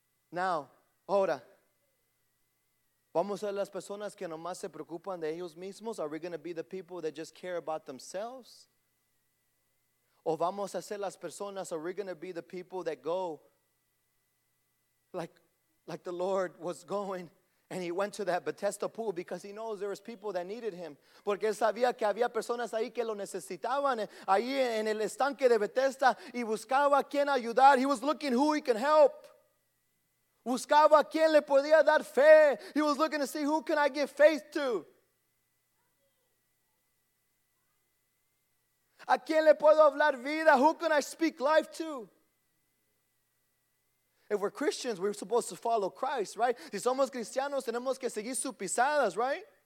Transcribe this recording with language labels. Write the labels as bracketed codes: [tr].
[es] Now, ahora, vamos a ser las personas que nomás se preocupan de ellos mismos. [en] Are we going to be the people that just care about themselves? [es] O vamos a ser las personas, [en] are we going to be the people that go like the Lord was going and he went to that Betesda pool because he knows there was people that needed him. [es] Porque él sabía que había personas ahí que lo necesitaban ahí en el estanque de Betesda y buscaba quien ayudar. [en] He was looking who he can help. [es] Buscaba quien le podía dar fe. [en] He was looking to see who can I give faith to. [es] ¿A quién le puedo hablar vida? [en] Who can I speak life to? If we're Christians, we're supposed to follow Christ, right? [es] Si somos cristianos, tenemos que seguir sus pisadas, right?